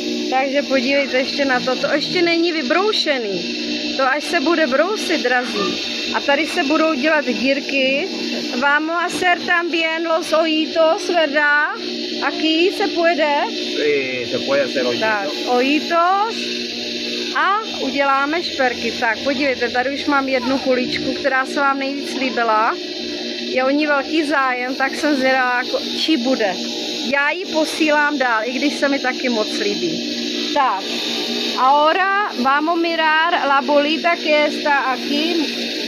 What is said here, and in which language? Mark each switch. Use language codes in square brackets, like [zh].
[cs] Takže podívejte ještě na to, to ještě není vybroušený, to až se bude brousit, drazí. A tady se budou dělat dírky. [es] Vamos a hacer también los ojitos, ¿verdad? Aquí se puede? Sí, se puede hacer ojitos. [cs] Tak, ojitos a uděláme šperky. Tak, podívejte, tady už mám jednu kuličku, která se vám nejvíc líbila. Je o ní velký zájem, tak jsem zvědala, čí bude. Já ji posílám dál, i když se mi taky moc líbí. [es] Tak, ahora vamos a mirar la bolita que está aquí.